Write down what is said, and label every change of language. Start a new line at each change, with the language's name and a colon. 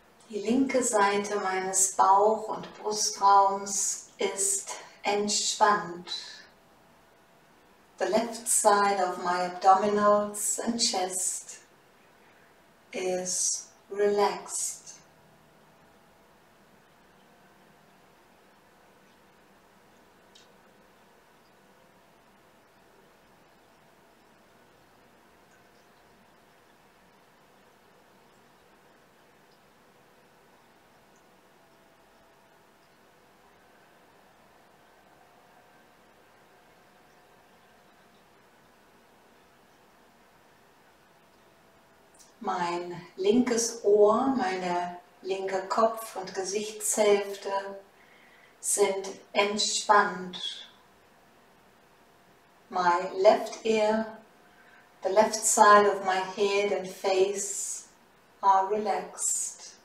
German: Die linke Seite meines Bauch- und Brustraums ist entspannt.
English: The left side of my abdominals and chest is relaxed.
German: Mein linkes Ohr, meine linke Kopf- und Gesichtshälfte sind entspannt.
English: My left ear, the left side of my head and face are relaxed.